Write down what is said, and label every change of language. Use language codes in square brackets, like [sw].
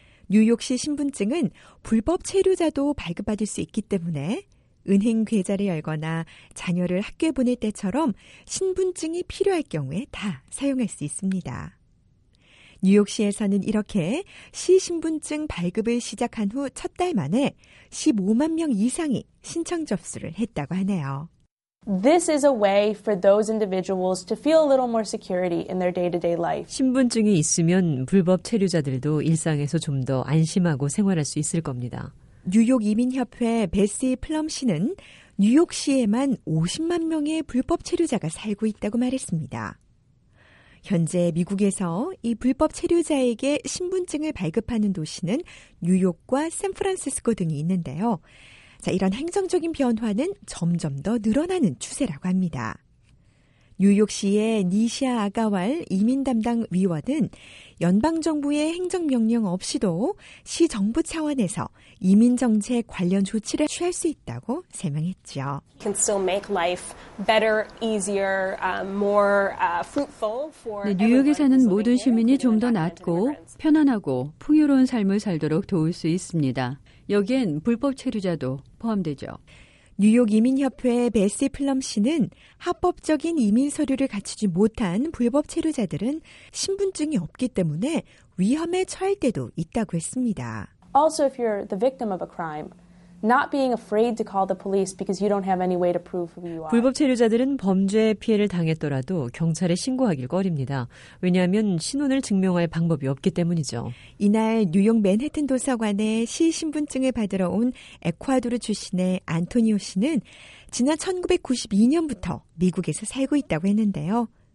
[ko] 뉴욕시 신분증은 불법 체류자도 발급받을 수 있기 때문에 은행 계좌를 열거나 자녀를 학교에 보낼 때처럼 신분증이 필요할 경우에 다 사용할 수 있습니다. 뉴욕시에서는 이렇게 시 신분증 발급을 시작한 후 첫 달 만에 15만 명 이상이 신청 접수를 했다고 하네요. [en] This is a way for those individuals to feel a little more security in their day-to-day life. [ko] 신분증이 있으면 불법 체류자들도 일상에서 좀 더 안심하고 생활할 수 있을 겁니다. 뉴욕 이민협회 베시 플럼 씨는 뉴욕시에만 50만 명의 불법 체류자가 살고 있다고 말했습니다. 현재 미국에서 이 불법 체류자에게 신분증을 발급하는 도시는 뉴욕과 샌프란시스코 등이 있는데요. 자, 이런 행정적인 변화는 점점 더 늘어나는 추세라고 합니다. 뉴욕시의 니샤 아가왈 이민 담당 위원은 연방정부의 행정명령 없이도 시 정부 차원에서 이민정책 관련 조치를 취할 수 있다고 설명했죠. [en] Can still make life better, easier, more fruitful for [ko] 네, 뉴욕에 사는 모든 시민이 좀 더 낫고 편안하고 풍요로운 삶을 살도록 도울 수 있습니다. 여기엔 불법 체류자도 포함되죠. 뉴욕 이민협회 베시 플럼 씨는 합법적인 이민 서류를 갖추지 못한 불법 체류자들은 신분증이 없기 때문에 위험에 처할 때도 있다고 했습니다. [en] Also, if you're the victim of a crime, not being afraid to call the police because you don't have any way to prove who you are. [ko] 불법 체류자들은 범죄의 피해를 당했더라도 경찰에 신고하길 꺼립니다. 왜냐하면 신원을 증명할 방법이 없기 때문이죠. 이날 뉴욕 맨해튼 도서관에 시 신분증을 받으러 온 에콰도르 출신의 안토니오 씨는 지난 1992년부터 미국에서 살고 있다고 했는데요.